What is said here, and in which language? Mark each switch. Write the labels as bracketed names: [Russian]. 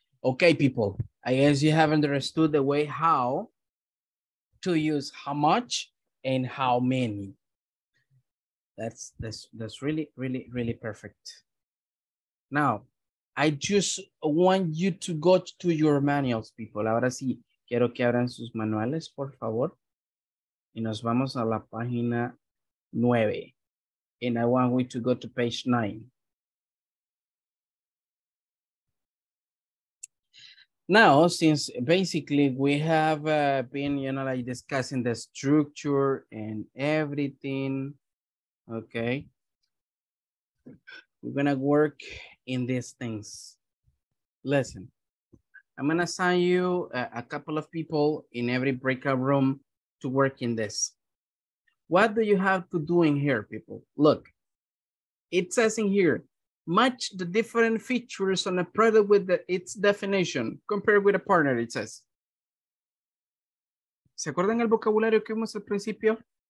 [English] Okay, people, I guess you have understood the way how to use how much and how many. That's really, really, really perfect. Now, I just want you to go to your manuals, people. [Spanish] Ahora sí, quiero que abran sus manuales, por favor. Y nos vamos a la página 9. [English] And I want we to go to page 9. Now, since basically we have been, you know, like discussing the structure and everything, okay, we're gonna work in these things. Listen, I'm gonna assign you a couple of people in every breakout room to work in this. What do you have to do in here, people? Look, it says in here, match the different features on a product with its definition, compared with a partner, it says. [Spanish] ¿Se acuerdan el vocabulario que vimos al principio?